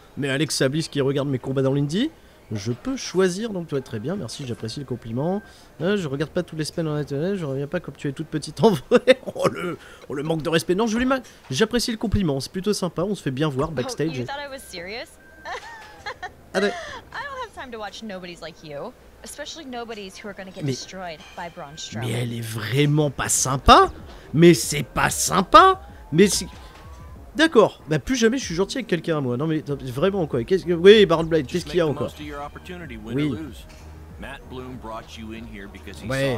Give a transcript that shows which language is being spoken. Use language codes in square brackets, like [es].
[fr] Mais Alexa Bliss qui regarde mes combats dans l'indie. Je peux choisir, donc tu vas très bien, merci, j'apprécie le compliment. Je regarde pas toutes les semaines en internet, je reviens pas comme tu es toute petite en vrai. Oh le manque de respect. Non, je lui mal. J'apprécie le compliment, c'est plutôt sympa, on se fait bien voir backstage. [en] Oh, you thought I was serious? I don't have time to watch nobody's like you. Especially nobody's who are gonna get destroyed by Braun Strowman. [fr] Mais elle est vraiment pas sympa. Mais c'est pas sympa. Mais c'est... D'accord, bah plus jamais je suis gentil avec quelqu'un à moi. Non mais vraiment quoi, qu'est-ce que... Oui, Baron Blade, qu'est-ce qu'il y a encore? Oui. [en] Matt Bloom brought you in here because he